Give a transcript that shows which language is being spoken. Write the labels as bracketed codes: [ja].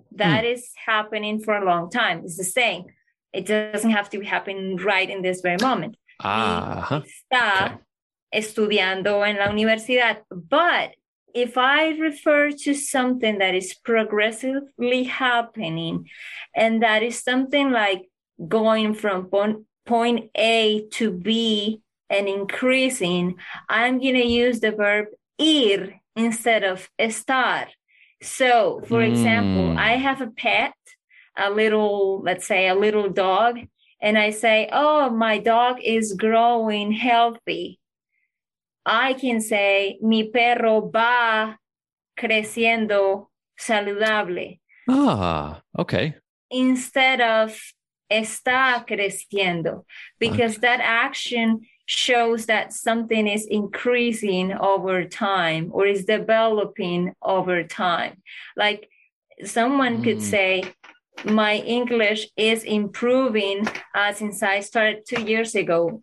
[en] That is happening for a long time. It's the same. It doesn't have to be happening right in this very moment. [es] Está estudiando en la universidad. [en] But if I refer to something that is progressively happening, and that is something like going from point A to B and increasing, I'm going to use the verb ir instead of estar. So, for example, I have a pet, a little dog, and I say, oh, my dog is growing healthy. I can say, [es] mi perro va creciendo saludable. [en] Okay. Instead of está creciendo, because that action shows that something is increasing over time or is developing over time. Like, someone could say, my English is improving since I started 2 years ago.